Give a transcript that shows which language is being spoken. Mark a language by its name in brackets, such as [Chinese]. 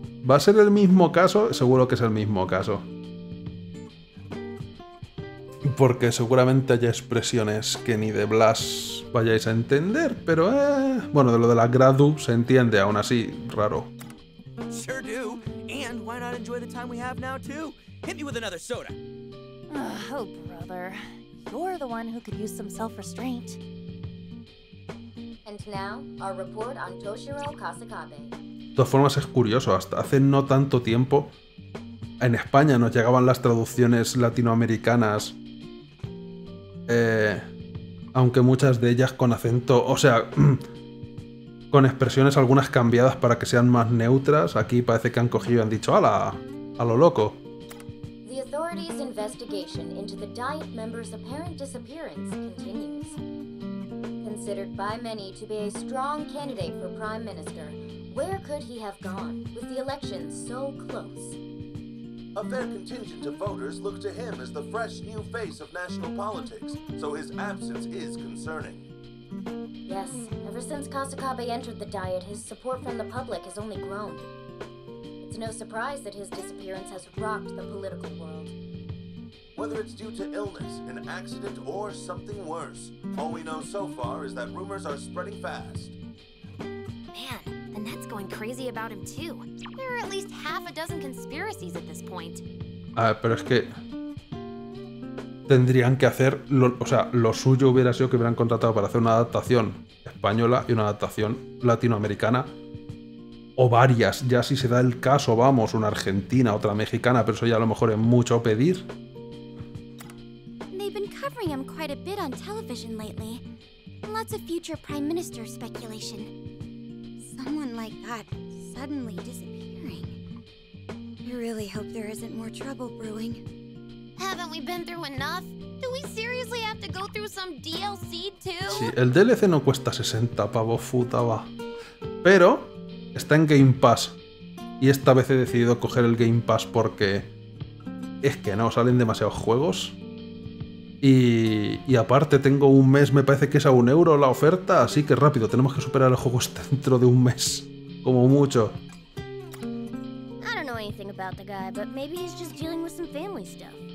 [Spanish] ¿Va a ser el mismo caso? Seguro que es el mismo caso. Porque seguramente haya expresiones que ni de Blas vayáis a entender, pero bueno, de lo de la gradu se entiende, aún así, raro. [English] Sure do. And why not enjoy the time we have now too? Hit me with another soda. Oh, brother. You're the one who could use some self-restraint. And now, our report on Toshiro Kasekabe. [Spanish] De todas formas, es curioso, hasta hace no tanto tiempo en España nos llegaban las traducciones latinoamericanas, aunque muchas de ellas con acento, o sea, con expresiones algunas cambiadas para que sean más neutras. Aquí parece que han cogido y han dicho ¡ala! ¡A lo loco! [English] The authorities' investigation into the Diet member's apparent disappearance continues. Considered by many to be a strong candidate for Prime Minister, where could he have gone with the election so close? A fair contingent of voters look to him as the fresh new face of national politics, so his absence is concerning. Yes, ever since Kasekabe entered the Diet, his support from the public has only grown. It's no surprise that his disappearance has rocked the political world. Whether it's due to illness, an accident, or something worse, all we know so far is that rumors are spreading fast. Man, the net's going crazy about him too. There are at least half a dozen conspiracies at this point. [Spanish] Pero es que tendrían que hacer, lo suyo hubiera sido que hubieran contratado para hacer una adaptación española y una adaptación latinoamericana. O varias, ya si se da el caso, vamos, una argentina, otra mexicana, pero eso ya a lo mejor es mucho pedir. [English] They've been covering him quite a bit on television lately. Lots of future prime minister speculation. Someone like that suddenly disappearing. I really hope there isn't more trouble brewing. Haven't we been through enough? Do we seriously have to go through some DLC too? [Spanish] Sí, el DLC no cuesta 60 pavos, puta va. Pero está en Game Pass. Y esta vez he decidido coger el Game Pass porque es que no salen demasiados juegos. Y aparte tengo un mes, me parece que es a un euro la oferta, así que rápido, tenemos que superar el juego dentro de un mes, como mucho. [English] I don't know anything about the guy, but maybe he's just dealing with some family stuff.